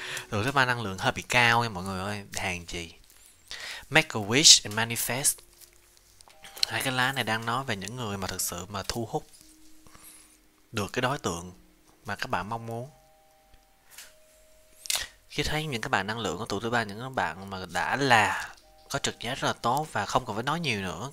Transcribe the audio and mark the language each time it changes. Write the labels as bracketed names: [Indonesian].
[Vietnamese] Tụ thứ ba năng lượng hơi bị cao nha mọi người ơi. Hàng gì? [English] Make a wish and manifest. [Vietnamese] Hai cái lá này đang nói về những người mà thực sự mà thu hút được cái đối tượng mà các bạn mong muốn. Khi thấy những các bạn năng lượng của tụ thứ ba, những các bạn mà đã là có trực giác rất là tốt và không cần phải nói nhiều nữa.